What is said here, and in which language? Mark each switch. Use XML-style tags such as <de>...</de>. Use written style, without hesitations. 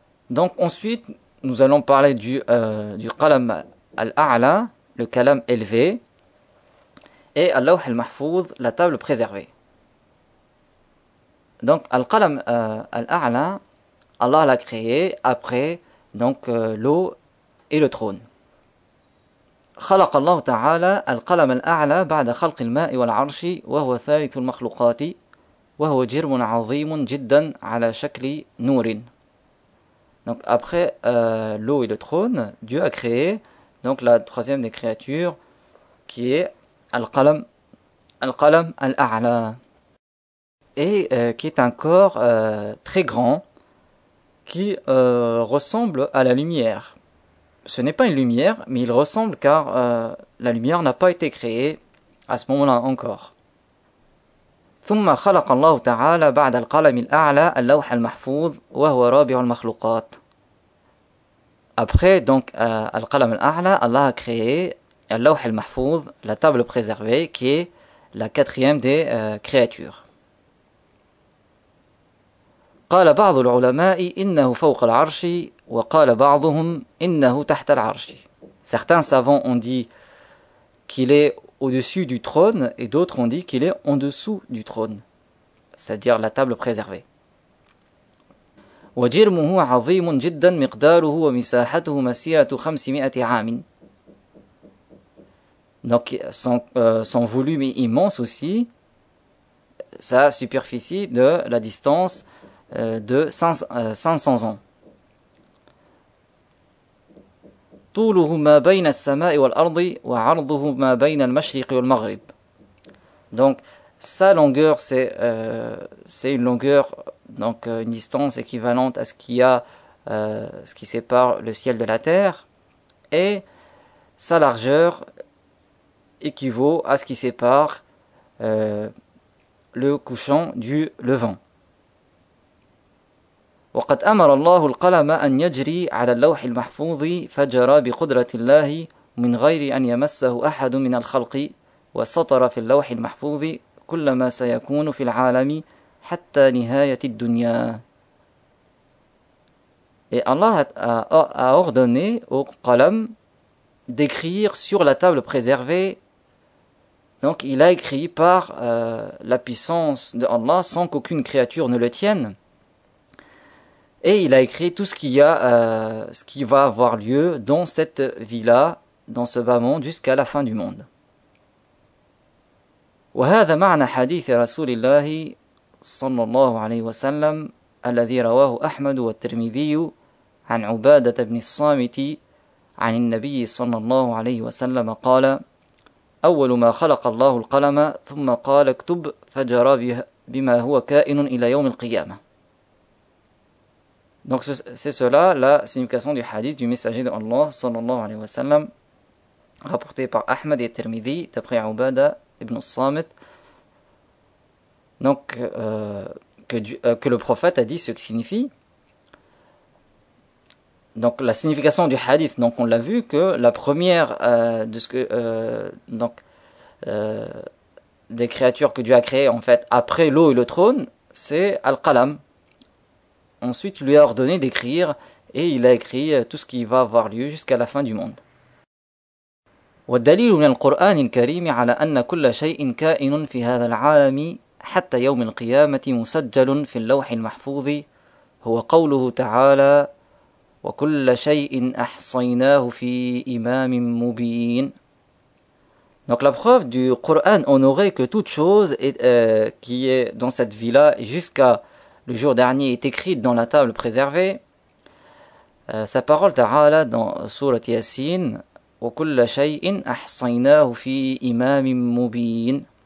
<fr>Donc ensuite, nous allons parler du qalam al-a'la, le calame élevé, et al-lawh al-mahfouz, la table préservée. Donc al-qalam al-a'la, Allah l'a créé après l'eau et le trône.</fr> <ar>خلق الله تعالى القلم الأعلى بعد خلق الماء والعرش وهو ثالث المخلوقات وهو جرم عظيم جدا على شكل نور.</ar> <fr>Donc après l'eau et le trône, Dieu a créé donc la troisième des créatures qui est al-qalam Al-Qalam al-A'la. Et qui est un corps très grand qui ressemble à la lumière. Ce n'est pas une lumière, mais il ressemble car la lumière n'a pas été créée à ce moment-là encore.</fr> <ar>ثم خلق الله تعالى بعد القلم الأعلى اللوح المحفوظ وهو رابع المخلوقات.</ar> <fr>Après donc القلم الأعلى, Allah a créé اللوح المحفوظ, la table préservée, qui est la quatrième des créatures.</fr> <ar>قال بعض العلماء إنه فوق العرش وقال بعضهم إنه تحت العرش.</ar> <fr>Certains savants ont dit qu'il est au-dessus du trône et d'autres ont dit qu'il est en dessous du trône, c'est-à-dire la table préservée.</fr> <ar>وجرمه عظيم جدا مقداره ومساحته مسيرة 500 عام.</ar> <fr>Donc son volume est immense aussi, sa superficie de la distance de 500 ans.</fr> <ar>طوله ما بين السماء والأرض وعرضه ما بين المشرق والمغرب.</ar> <fr>Donc sa longueur c'est une longueur, donc une distance équivalente à ce qu'il y a ce qui sépare le ciel de la terre, et sa largeur équivaut à ce qui sépare le couchant du levant.</fr> <ar>وقد أمر الله القلم أن يجري على اللوح المحفوظ فجرى بقدرة الله من غير أن يمسه أحد من الخلق وسطر في اللوح المحفوظ كل ما سيكون في العالم حتى نهاية الدنيا.</ar> <fr>Et Allah a ordonné au qalam d'écrire sur la table préservée. Donc il a écrit par la puissance de Allah sans qu'aucune créature ne le tienne. Et il a écrit tout ce qu'il y a, ce qui va avoir lieu dans cette vie-là, dans ce bas monde, jusqu'à la fin du monde.</fr> <ar>وهذا معنى حديث رسول الله صلى الله عليه وسلم الذي رواه أحمد والترمذي عن عبادة بن الصامت عن النبي صلى الله عليه وسلم قال أول ما خلق الله القلم ثم قال اكتب فجرى بما هو كائن إلى يوم القيامة.</ar> <fr>Donc c'est cela la signification du hadith du messager de Allah, sallallahu alayhi wa sallam, rapporté par Ahmed et Tirmidhi, d'après Ubada ibn Samit. Donc que le prophète a dit ce qui signifie. Donc la signification du hadith, donc on l'a vu que la première de ce que des créatures que Dieu a créées en fait après l'eau et le trône, c'est Al-Qalam. Ensuite, lui a ordonné d'écrire et il a écrit tout ce qui va avoir lieu jusqu'à la fin du monde.</fr> <ar>والدليل من القرآن الكريم على أن كل شيء كائن في هذا العالم حتى يوم القيامة مسجل في اللوح المحفوظ هو قوله تعالى وكل شيء أحصيناه في إمام مبين.</ar> <fr>Donc la preuve du Coran honorait que toute chose est, qui est dans cette vie-là jusqu'à le jour dernier est écrite dans la table préservée. Sa parole Ta'ala dans Sourate Yassine,</fr> <ar>wa kulla shay'in ahsaynahu fi imamin mubin.</ar>